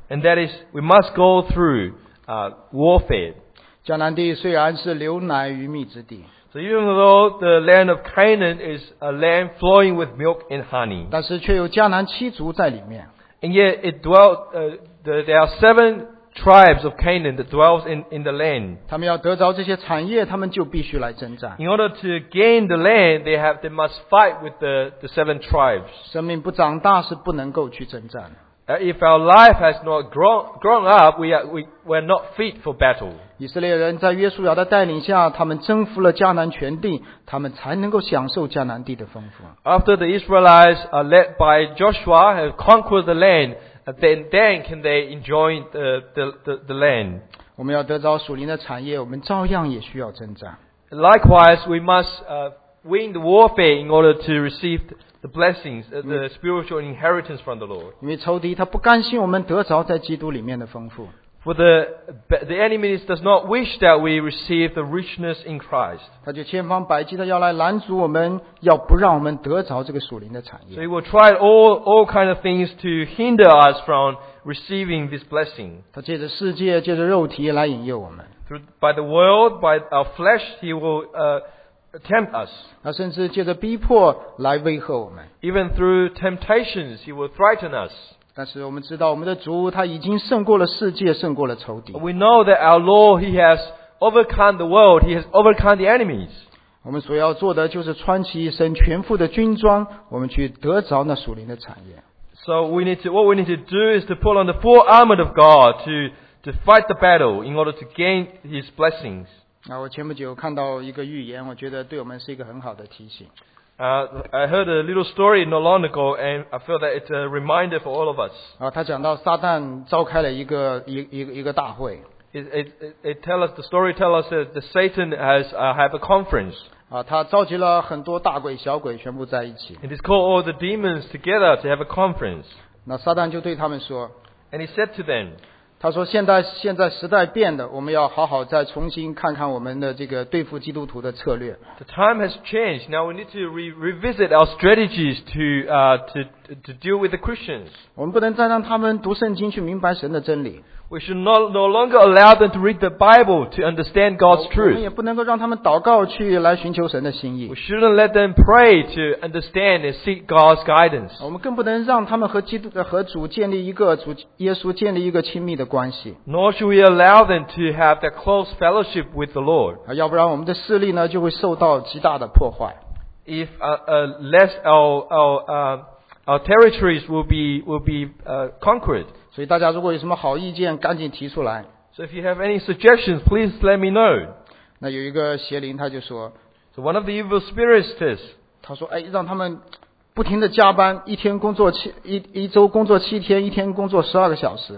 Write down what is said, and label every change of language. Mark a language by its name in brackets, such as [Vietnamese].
[English] And that is, we must go through warfare. [Chinese] 迦南地虽然是流奶与蜜之地。 [English] So even though the land of Canaan is a land flowing with milk and honey. [Chinese] 但是却有迦南七族在里面。 [English] And yet it dwelt, there are seven tribes of Canaan that dwells in the land. [Chinese] 他们要得着这些产业，他们就必须来征战。 [English] In order to gain the land, they must fight with the seven tribes. [Chinese] 生命不长大是不能够去征战。 [English] If our life has not grown up, we are not fit for battle. [Chinese] 以色列人在约书亚的带领下，他们征服了迦南全地，他们才能够享受迦南地的丰富。 [English] After the Israelites are led by Joshua have conquered the land, then can they enjoy the land. [Chinese] 我们要得着属灵的产业，我们照样也需要征战。 [English] Likewise, we must win the warfare in order to receive the blessings, the spiritual inheritance from the Lord. [Chinese] 因为仇敌他不甘心我们得着在基督里面的丰富。 [English] For the enemy does not wish that we receive the richness in Christ. [Chinese] 他就千方百计的要来拦阻我们，要不让我们得着这个属灵的产业。 [English] So he will try all kinds of things to hinder us from receiving this blessing. [Chinese] 他借着世界，借着肉体来引诱我们。 [English] By the world, by our flesh, he will tempt us. [Chinese] 他甚至借着逼迫来威吓我们。 [English] Even through temptations, he will threaten us. [Chinese] 但是我们知道我们的主他已经胜过了世界，胜过了仇敌。 [English] We know that our Lord, he has overcome the world, he has overcome the enemies. [Chinese] 我们所要做的就是穿起一身全副的军装，我们去得着那属灵的产业。 [English] So what we need to do is to put on the full armor of God to fight the battle in order to gain his blessings. [Chinese] 那我前不久看到一个预言，我觉得对我们是一个很好的提醒。 [English] I heard a little story not long ago, and I feel that it's a reminder for all of us. [Chinese] 他讲到撒旦召开了一个大会。 [English] It tells us that Satan has a conference. [Chinese] 他召集了很多大鬼小鬼全部在一起。 [English] It is called all the demons together to have a conference. [Chinese] 那撒旦就对他们说。 [English] And he said to them. [Chinese] 他说现在时代变了，我们要好好再重新看看我们的这个对付基督徒的策略。 [English] The time has changed. Now we need to revisit our strategies to deal with the Christians. [Chinese] 我们不能再让他们读圣经去明白神的真理。 [English] We should no longer allow them to read the Bible to understand God's truth. [Chinese] 我们也不能够让他们祷告去来寻求神的心意。 [English] We shouldn't let them pray to understand and seek God's guidance. [Chinese] 我们更不能让他们和主耶稣建立一个亲密的关系。 [English] Nor should we allow them to have that close fellowship with the Lord. [Chinese] 要不然我们的势力呢就会受到极大的破坏。 [English] If less our territories will be conquered. [Chinese] 所以大家如果有什么好意见赶紧提出来。 [English] So if you have any suggestions, please let me know. [Chinese] 那有一个邪灵他就说。 [English] So one of the evil spirits says, [Chinese] 他说哎让他们不停地加班，一天工作一周工作七天，一天工作十二个小时。